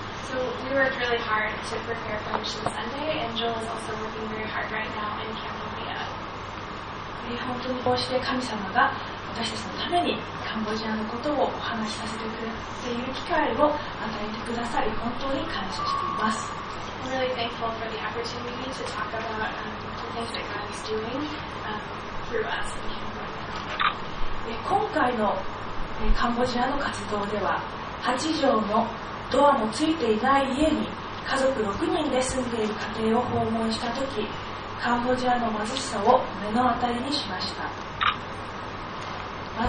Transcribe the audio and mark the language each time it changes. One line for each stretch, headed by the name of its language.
English: So we worked really hard to prepare for Mission Sunday, and Joel is also working very hard right now in Cambodia.
Japanese: 本当にこうして神様が私たちのためにカンボジアのことをお話しさせてくれている機会を与えてくださり、本当に感謝しています。
English: I'm really thankful for the opportunity to talk about the things that God is doing through us in Cambodia.
Japanese: 今回のカンボジアの活動では、8条のドアもついていない家に家族6人で住んでいる家庭を訪問したとき、カンボジアの貧しさを目の当たりにしました。